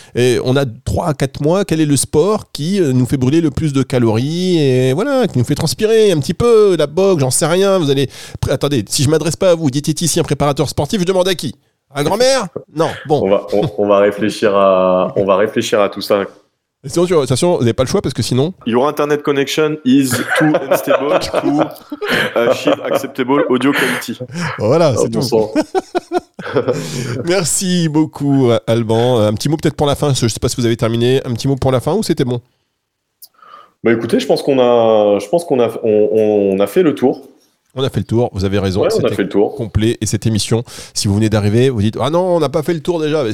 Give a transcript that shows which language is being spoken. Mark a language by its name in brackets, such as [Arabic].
[French] Et on a 3 à 4 mois, quel est le sport qui nous fait brûler le plus de calories et voilà, qui nous fait transpirer un petit peu, la boxe, j'en sais rien. Vous allez. Attendez, si je m'adresse pas à vous, diététicien, préparateur sportif, je demande à qui? À grand-mère? Non, bon. On va réfléchir à tout ça. Sinon, attention, vous n'avez pas le choix parce que sinon... [English] Your internet connection is too unstable to achieve acceptable audio quality. [French] Voilà, c'est tout. Merci beaucoup, Alban. Un petit mot peut-être pour la fin, je ne sais pas si vous avez terminé. Un petit mot pour la fin ou c'était bon? Écoutez, je pense qu'on a fait le tour. On a fait le tour, vous avez raison. Ouais, on a fait le tour. Complet. Et cette émission, si vous venez d'arriver, vous dites « Ah non, on n'a pas fait le tour déjà !»